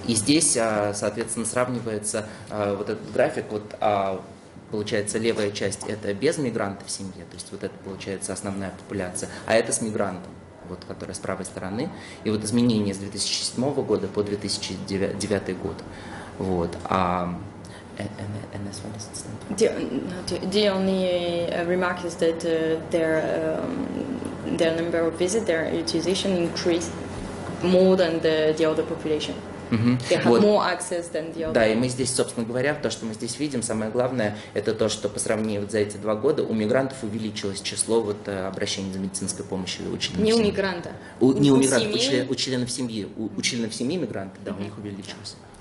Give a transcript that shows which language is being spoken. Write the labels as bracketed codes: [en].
[ru] И здесь, соответственно, сравнивается вот этот график, вот, получается, левая часть – это без мигрантов в семье, то есть вот это, получается, основная популяция, а это с мигрантом, вот, которая с правой стороны. И вот изменения с 2007 года по 2009 год. Вот. And [en] this one doesn't stand. The only remark is that their number of visits, their utilization increased more than the other population. [ru] Вот. [en] More access than the other. [ru] Да, и мы здесь, собственно говоря, то, что мы здесь видим, самое главное, это то, что по сравнению вот за эти два года у мигрантов увеличилось число вот обращений за медицинской помощью у членов семьи. Не у мигранта. Не у мигрантов, у членов семьи. У членов семьи мигранты, да, у них увеличилось.